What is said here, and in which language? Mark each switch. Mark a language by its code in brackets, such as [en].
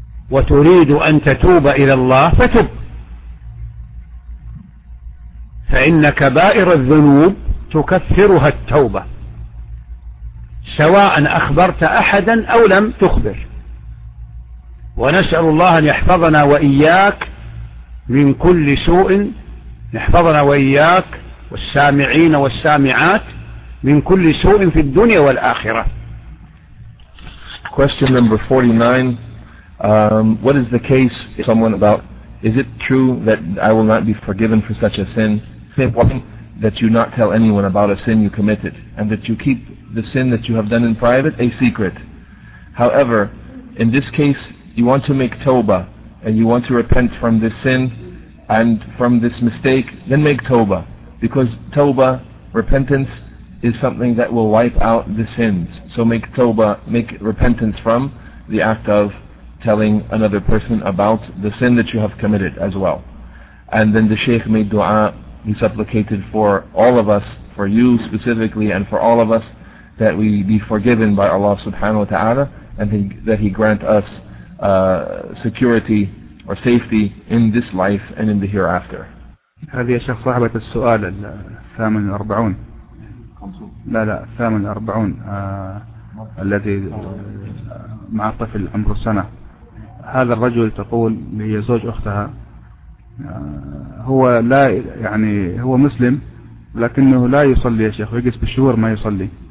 [ar] وتريد أن تتوب إلى الله فتب, فإن كبائر الذنوب تكفرها التوبة سواء أخبرت أحدا أو لم تخبر. ونسأل الله أن يحفظنا وإياك من كل سوء, نحفظنا وإياك والسامعين والسامعات من كل سوء في الدنيا والآخرة. [en] Question number 49. What is the case, someone about, is it true that I will not be forgiven for such a sin? That you not tell anyone about a sin you committed, and that you keep the sin that you have done in private a secret. However, in this case, you want to make tawbah, and you want to repent from this sin and from this mistake, then make tawbah. Because tawbah, repentance, is something that will wipe out the sins. So make tawbah, make repentance from the act of telling another person about the sin that you have committed as well. And then the Shaykh made dua, he supplicated for all of us, for you specifically, and for all of us, that we be forgiven by Allah subhanahu wa ta'ala, and that he grant us security or safety in this life and in the hereafter. [ar] هذه الشيخ صاحبة السؤال 48 لا 48 الذي مع طفل عمره سنة. هذا الرجل تقول هي زوج أختها, هو لا يعني هو مسلم لكنه لا يصلي يا شيخ, يجلس بالشهور ما يصلي.